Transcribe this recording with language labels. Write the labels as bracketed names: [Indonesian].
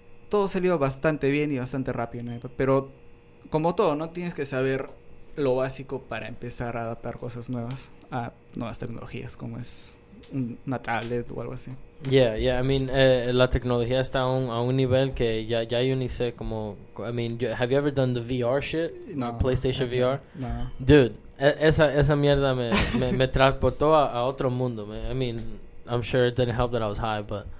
[Spanish] Todo salió bastante bien y bastante rápido, ¿no? Pero como todo, ¿no? Tienes que saber lo básico para empezar a adaptar cosas nuevas a nuevas tecnologías, como es una tablet o algo así. Yeah, I mean, la tecnología está a un nivel que ya yo ni sé cómo. [English] I mean, have you ever done the VR shit? No. PlayStation VR? No. [Spanish] Dude, esa mierda me transportó a otro mundo. [English] I mean, I'm sure it didn't help that I was high, but...